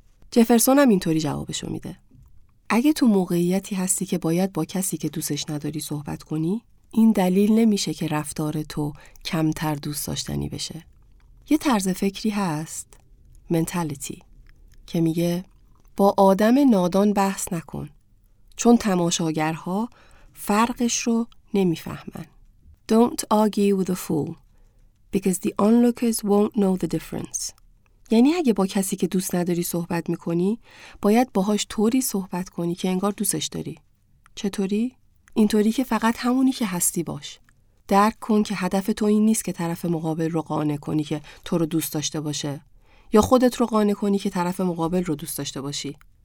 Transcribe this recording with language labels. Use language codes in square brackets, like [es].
[fa] جفرسون هم اینطوری جوابشو میده: اگه تو موقعیتی هستی که باید با کسی که دوستش نداری صحبت کنی، این دلیل نمیشه که رفتار تو کمتر دوست داشتنی بشه. یه طرز فکری هست، منتالیتی، که میگه با آدم نادان بحث نکن چون تماشاگرها فرقش رو نمیفهمن. [en] Don't argue with a fool because the onlookers won't know the difference. [fa] یعنی اگه با کسی که دوست نداری صحبت میکنی، باید باهاش طوری صحبت کنی که انگار دوستش داری. چطوری؟ اینطوری که فقط همونی که هستی باش. درک کن که هدف تو این نیست که طرف مقابل رو قانع کنی که تو رو دوست داشته باشه، یا خودت رو قانع کنی که طرف مقابل رو دوست داشته باشی.